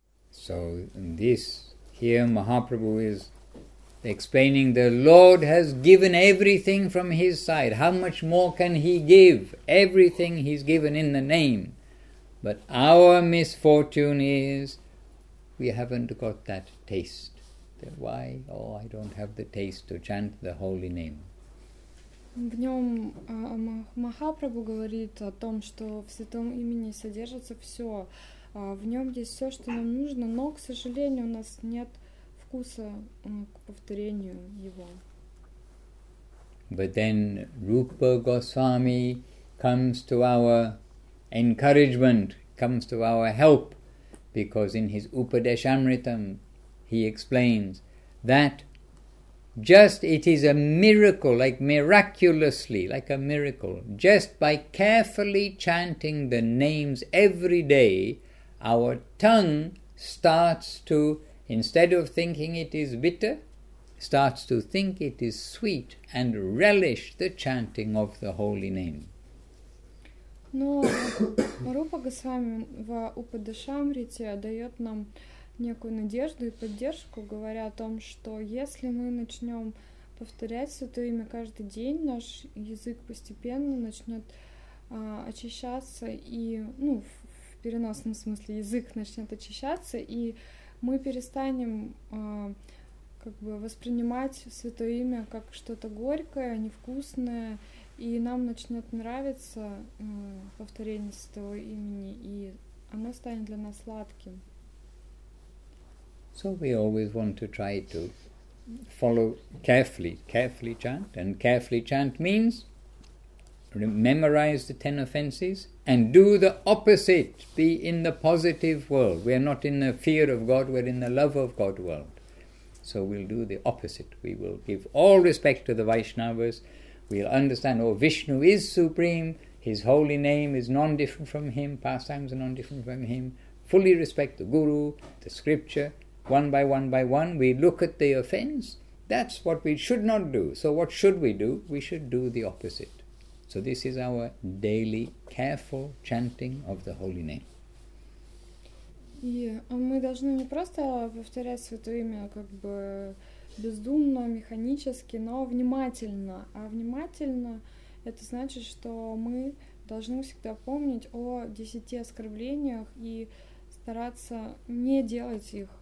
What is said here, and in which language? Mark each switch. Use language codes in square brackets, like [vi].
[en] So in this, here Mahaprabhu is explaining the Lord has given everything from His side. How much more can He give? Everything He's given in the name. But our misfortune is we haven't got that taste. Then why? Oh, I don't have the taste to chant the holy name. [ru] В нем Махапрабху говорит о том, что в святом имени содержится все. В нем есть все, что нам нужно, но, к сожалению, у нас нет вкуса к повторению его. [en] But then Rupa Goswami comes to our encouragement, comes to our help, because in his Upadeshamritam he explains that just it is a miracle, like miraculously, like a miracle, just by carefully chanting the names every day, our tongue starts to, instead of thinking it is bitter, starts to think it is sweet and relish the chanting of the holy name. [ru] Но Рупа Госвами в Упадешамрите дает нам некую надежду и поддержку, говоря о том, что если мы начнем повторять Святое Имя каждый день, наш язык постепенно начнет очищаться и, ну, в переносном смысле, язык начнет очищаться, и мы перестанем как бы воспринимать Святое Имя как что-то горькое, невкусное, и нам начнет нравиться повторение Святого Имени, и оно станет для нас сладким. [en] So we always want to try to follow carefully, carefully chant. And carefully chant means memorize the 10 offenses and do the opposite, be in the positive world. We are not in the fear of God, we're in the love of God world. So we'll do the opposite. We will give all respect to the Vaishnavas. We'll understand, oh, Vishnu is supreme. His holy name is non-different from him. Pastimes are non-different from him. Fully respect the Guru, the scripture. One by one by one, we look at the offense. That's what we should not do. So what should we do? We should do the opposite. So this is our daily careful chanting of the holy name. [ru] И мы должны не просто повторять Святое Имя как бы бездумно, механически, но внимательно. А внимательно – это значит, что мы должны всегда помнить о 10 оскорблениях и стараться не делать их.